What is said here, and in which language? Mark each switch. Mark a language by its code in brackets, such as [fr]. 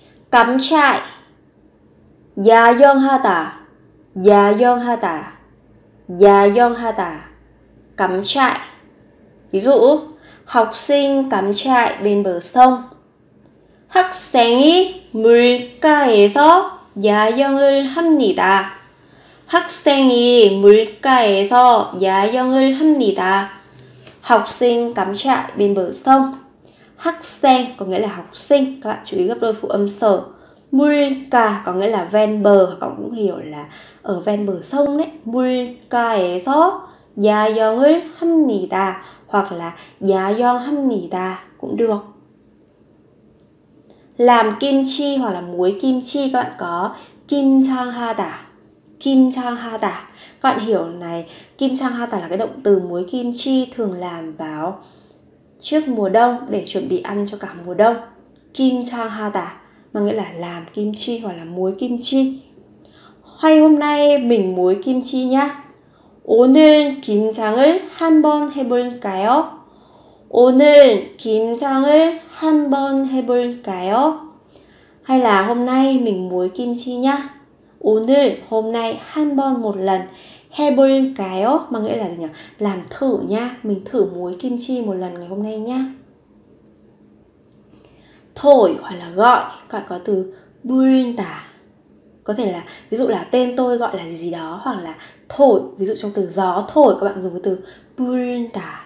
[vi] Cắm trại. Gia yong ha tà. Gia yong ha tà. Gia yong ha tà. Cắm trại. Ví dụ học sinh cắm trại bên bờ sông. [ko] 학생이 물가에서 야영을 합니다. 학생이 물가에서 야영을 합니다. [vi] Học sinh cắm trại bên bờ sông. 학생 có nghĩa là học sinh, các bạn chú ý gấp đôi phụ âm sờ. 물가 có nghĩa là ven bờ, các bạn cũng hiểu là ở ven bờ sông đấy. [ko] 물가에서 야영을 합니다. [vi] Hoặc là [ko] 야영합니다 [vi] cũng được. Làm kim chi hoặc là muối kim chi, các bạn có 김장하다. [ko] 김장하다. [vi] Các bạn hiểu này, 김장하다 là cái động từ muối kim chi thường làm vào trước mùa đông để chuẩn bị ăn cho cả mùa đông. 김장하다 mà nghĩa là làm kim chi hoặc là muối kim chi. Hay hôm nay mình muối kim chi nhá. [ko] 오늘 김장을 한번 해볼까요? 오늘 김장을 한번 해볼까요? [vi] Hay là hôm nay mình muối kim chi nhá. 오늘 hôm nay 한번 một lần [ko] 해볼까요? [vi] Mà nghĩa là gì nhỉ? Làm thử nhá. Mình thử muối kim chi một lần ngày hôm nay nhá. Thổi hoặc là gọi, các bạn có từ 불다. Có thể là ví dụ là tên tôi gọi là gì đó, hoặc là thổi, ví dụ trong từ gió thổi các bạn dùng cái từ 불다.